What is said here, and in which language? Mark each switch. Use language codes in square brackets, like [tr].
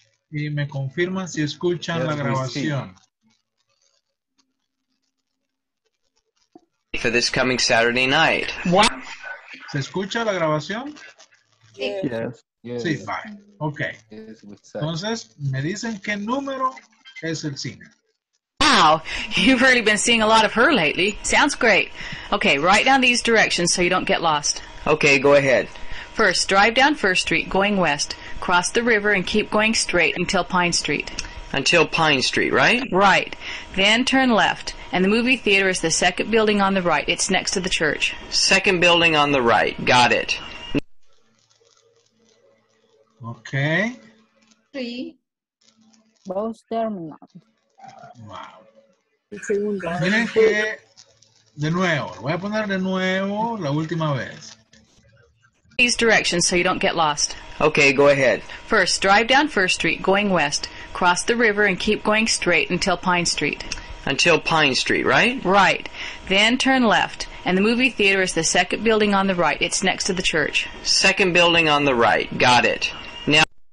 [es] Y me confirman si escuchan yes, la grabación. [en] For this coming Saturday night. What? [es] ¿Se escucha la grabación? [en] Yes. Yes. Sí, bye. Ok. [es] Yes, entonces, me dicen qué número es el cine. [en] Wow, you've really been seeing a lot of her lately. Sounds great. Okay, write down these directions so you don't get lost. Okay, go ahead. First, drive down First Street going west, cross the river and keep going straight until Pine Street. Until Pine Street, right? Right. Then turn left, and the movie theater is the second building on the right. It's next to the church. Second building on the right. Got it. Okay. Three. Both terminals. Wow. [es] Miren que, de nuevo, voy a poner de nuevo la última vez. [en] These directions so you don't get lost. Okay, go ahead. First, drive down First Street going west, cross the river and keep going straight until Pine Street. Until Pine Street, right? Right. Then turn left, and the movie theater is the second building on the right. It's next to the church. Second building on the right. Got it. Now.